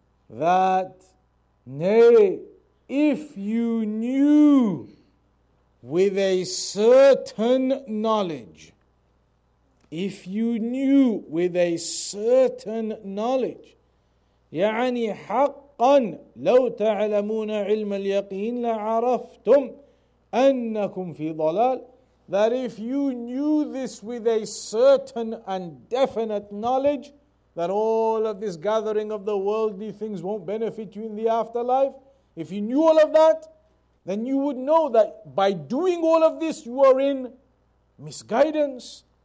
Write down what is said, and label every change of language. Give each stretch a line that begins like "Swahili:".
English: that, nay, if you knew with a certain knowledge, if you knew with a certain knowledge,
Arabic: يعني حقاً لو تعلمون علم اليقين لعرفتم أنكم في ضلال,
English: that if you knew this with a certain and definite knowledge, that all of this gathering of the worldly things won't benefit you in the afterlife, if you knew all of that, then you would know that by doing all of this, you are in misguidance.